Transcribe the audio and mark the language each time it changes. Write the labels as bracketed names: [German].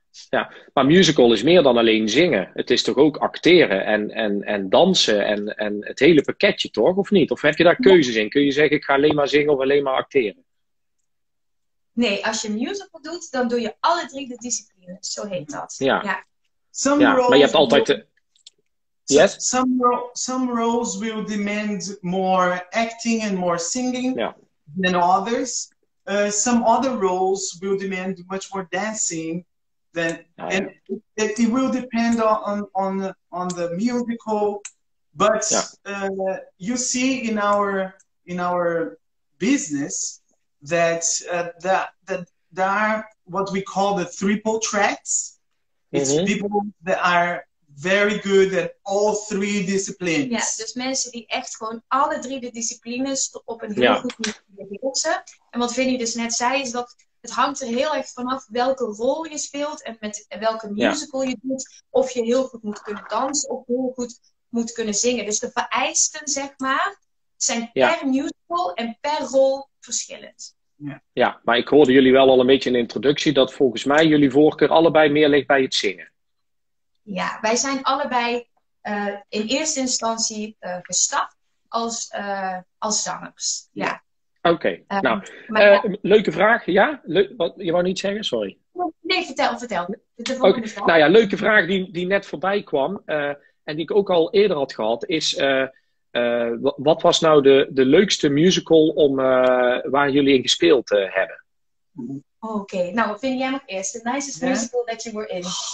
[Dutch] Ja, maar musical is meer dan alleen zingen. Het is toch ook acteren en dansen en het hele pakketje, toch? Of niet? Of heb je daar keuzes in? Kun je zeggen, ik ga alleen maar zingen of alleen maar acteren? Nee, als je musical doet, dan doe je alle drie de disciplines. Zo heet dat. Ja. [English] Some roles, [Dutch] maar je hebt altijd... [English] Yes? Some roles will demand more acting and more singing than others. Some other roles will demand much more dancing. It will depend on the musical, but you see in our business that there are what we call the triple tracks. Mm-hmm. It's people that are very good at all three disciplines. [Dutch] Ja, dus mensen die echt gewoon alle drie de disciplines op een heel goed niveau beheersen. En wat Vinnie dus net zei is dat het hangt er heel erg vanaf welke rol je speelt en met welke musical je doet. Of je heel goed moet kunnen dansen of heel goed moet kunnen zingen. Dus de vereisten, zeg maar, zijn per musical en per rol verschillend. Ja, maar ik hoorde jullie wel al een beetje in de introductie dat volgens mij jullie voorkeur allebei meer ligt bij het zingen. Ja, wij zijn allebei in eerste instantie gestart als zangers. Ja. Oké. Nou, leuke vraag. Ja? Je wou niet zeggen? Sorry. Nee, vertel. De volgende vraag. Nou ja, leuke vraag die net voorbij kwam. En die ik ook al eerder had gehad. Is, wat was nou de leukste musical waar jullie in gespeeld hebben? Oké. Nou, vind jij nog eerst? [English] The nicest musical that you were in.